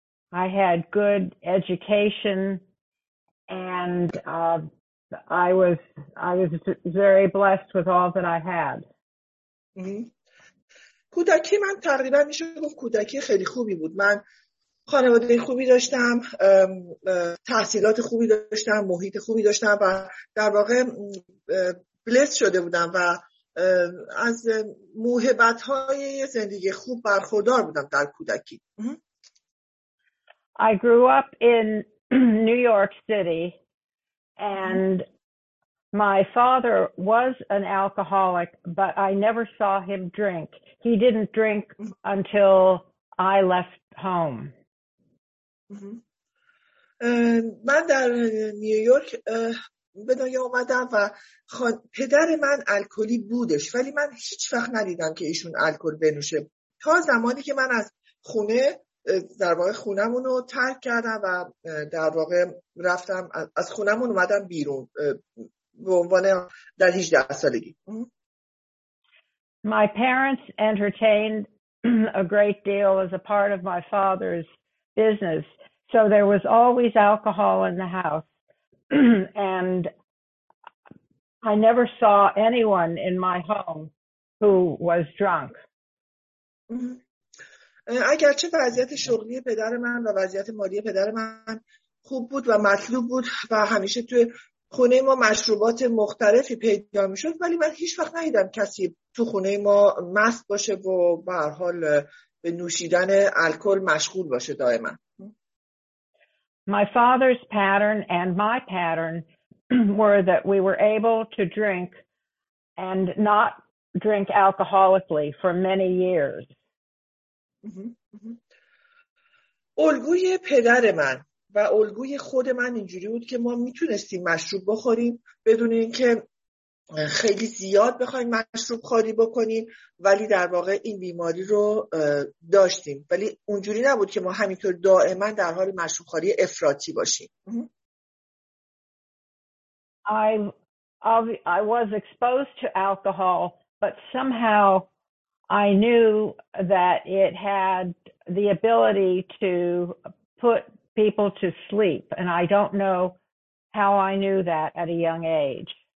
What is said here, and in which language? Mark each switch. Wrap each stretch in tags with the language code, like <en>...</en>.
<en>I had good education and I was very blessed with all that I had.</en> <fa>کودکی من تقریبا میشه گفت کودکی خیلی خوبی بود. من خانواده خوبی داشتم، تحصیلات خوبی داشتم، محیط خوبی داشتم و در واقع بلس شده بودم و از موهبت‌های زندگی خوب برخوردار بودم در کودکی.</fa> <en>I grew up in New York City and my father was an alcoholic, but I never saw him drink. He didn't drink until I left home.</en> <fa>من در نیویورک به دنیا اومدم و پدر من الکلی بودش، ولی من هیچ وقت ندیدم که ایشون الکل بنوشه تا زمانی که من از خونه در واقع خونمون رو ترک کردم و در واقع رفتم از خونمون اومدم بیرون به عنوان در 18 سالگی.</fa> <en>My parents entertained a great deal as a part of my father's business, so there was always alcohol in the house and I never saw anyone in my home who was drunk.</en> <fa>اگرچه وضعیت شغلی پدر من و وضعیت مالی پدر من خوب بود و مطلوب بود و همیشه توی خونه ما مشروبات مختلفی پیدا میشد، ولی من هیچ وقت ندیدم کسی تو خونه ما مست باشه و به هر حال به نوشیدن الکل مشغول باشه دائما.</fa> <en>My father's pattern and my pattern were that we were able to drink and not drink alcoholically for many years.</en> <fa>الگوی پدر من و الگوی خود من اینجوری بود که ما میتونستیم مشروب بخوریم بدون اینکه خیلی زیاد بخوایم مشروب خوری بکنیم، ولی در واقع این بیماری رو داشتیم، ولی اونجوری نبود که ما همینطور دائما در حال مشروب خوری افراطی باشیم.</fa> <en>I was exposed to alcohol, but somehow I knew that it had the ability to put people to sleep, and I don't know how I knew that at a young age.</en>